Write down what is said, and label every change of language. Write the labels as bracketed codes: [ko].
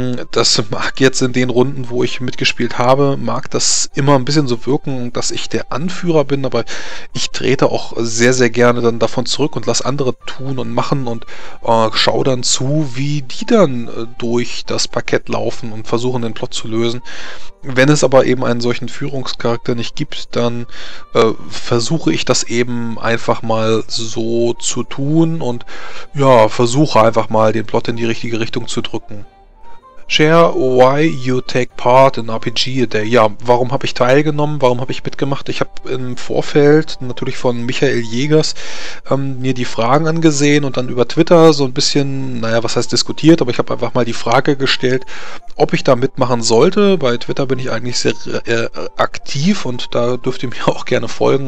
[de] Das mag jetzt in den Runden, wo ich mitgespielt habe, mag das immer ein bisschen so wirken, dass ich der Anführer bin, aber ich trete auch sehr, sehr gerne dann davon zurück und lass andere tun und machen und schau dann zu, wie die dann durch das Parkett laufen und versuchen, den Plot zu lösen. Wenn es aber eben einen solchen Führungscharakter nicht gibt, dann versuche ich das eben einfach mal so zu tun und ja, versuche einfach mal den Plot in die richtige Richtung zu drücken. [en] Share why you take part in RPG a day. [de] Ja, warum habe ich teilgenommen? Warum habe ich mitgemacht? Ich habe im Vorfeld natürlich von Michael Jägers mir die Fragen angesehen und dann über Twitter so ein bisschen, naja, was heißt diskutiert, aber ich habe einfach mal die Frage gestellt, ob ich da mitmachen sollte. Bei Twitter bin ich eigentlich sehr aktiv und da dürft ihr mir auch gerne folgen.